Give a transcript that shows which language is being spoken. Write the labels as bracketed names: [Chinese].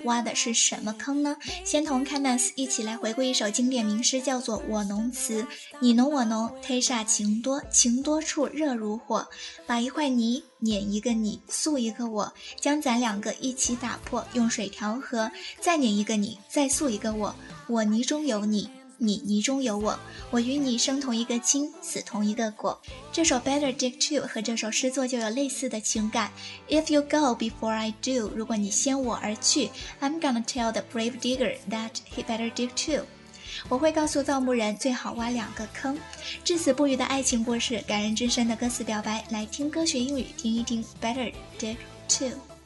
[Chinese] 挖的是什么坑呢？先同 Candace 一起来回顾一首经典名诗，叫做我侬词，你侬我侬，忒煞情多，情多处热如火，把一块泥碾一个你，塑一个我，将咱两个一起打破，用水调和，再碾一个你，再塑一个我，我泥中有你，你泥中有我，我与你生同一个亲，死同一个果。这首 Better Dig Two 和这首诗作就有类似的情感。 [English] If you go before I do， [Chinese] 如果你先我而去， [English] I'm gonna tell the brave digger that he better dig too， [Chinese] 我会告诉造墓人最好挖两个坑。至死不渝的爱情故事，感人至深的歌词表白，来听歌学英语，听一听 Better Dig Two。